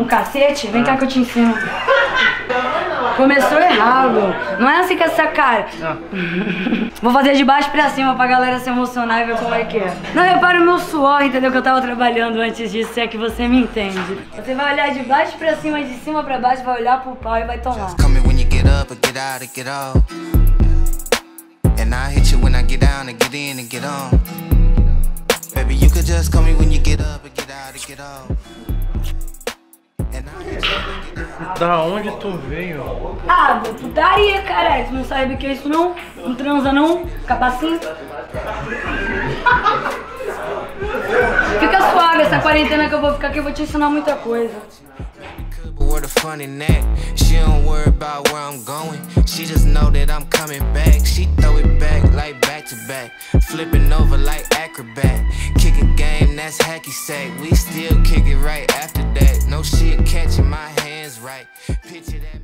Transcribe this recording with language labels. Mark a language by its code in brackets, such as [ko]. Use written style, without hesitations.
[pt] Um cacete? Vem cá que eu te ensino. Começou errado. Não é assim que é essa cara. Vou fazer de baixo pra cima pra galera se emocionar e ver como é que é. Não, repara o meu suor, entendeu? Que eu tava trabalhando antes disso, se é que você me entende. Você vai olhar de baixo pra cima, de cima pra baixo, vai olhar pro pau e vai tomar. [en] Just call me when you get up or get out or get off. And I hit you when I get down. trying to get in and get on. Baby, you could just call me when you get up and get out and get on. [pt] Da onde tu veio? Ah, da putaria, cara. Tu não sabe o que é isso, não? Não transa, não? Capacinho? Fica suave essa quarentena que eu vou ficar aqui, eu vou te ensinar muita coisa. [en] What a funny neck. She don't worry about where I'm going. She just know that I'm coming back. She throw it back like back to back. Flipping over like acrobat. Kick a game, that's hacky sack. We still kick it right after that. No shit catching my hands right. Picture that.